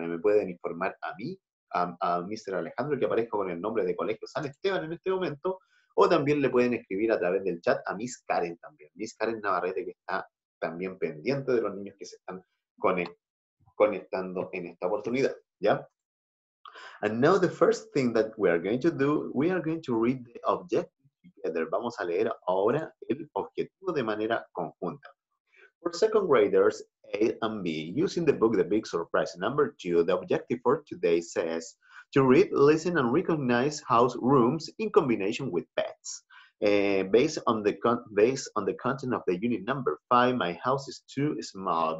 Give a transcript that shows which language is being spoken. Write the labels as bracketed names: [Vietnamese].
[Spanish] Me pueden informar a mí, a Mr. Alejandro, que aparezco con el nombre de Colegio San Esteban en este momento, o también le pueden escribir a través del chat a Miss Karen también, Miss Karen Navarrete, que está también pendiente de los niños que se están conectando en esta oportunidad, ¿ya? [English] And now the first thing that we are going to do, we are going to read the objective together. [Spanish] Vamos a leer ahora el objetivo de manera conjunta. [English] For second graders A and B, using the book The Big Surprise Number 2, the objective for today says to read, listen, and recognize house rooms in combination with pets. Based on the content of the unit number 5, my house is too small.